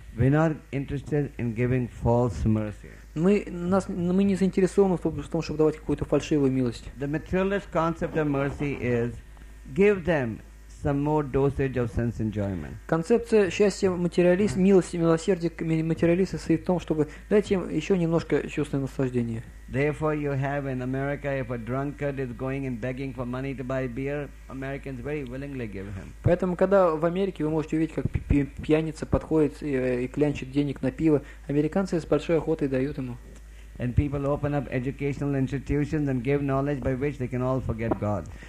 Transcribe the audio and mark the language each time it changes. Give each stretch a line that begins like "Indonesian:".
English: We are not interested in giving false mercy.
Russian: Мы не заинтересованы в том, чтобы давать какую-то фальшивую милость.
English: The materialist concept of mercy is give them some more dosage of sense enjoyment.
Russian: Концепция счастья материалист, милости, милосердия материалиста состоит в том, чтобы дать им еще немножко чувственное наслаждение.
English: Therefore, you have in America, if a drunkard is going and begging for money to buy beer, Americans very willingly give him.
Russian: Поэтому, когда в Америке вы можете увидеть, как пьяница подходит и клянчит денег на пиво, американцы с большой охотой дают ему.
English: And people open up educational institutions and give knowledge by which they can all forget God.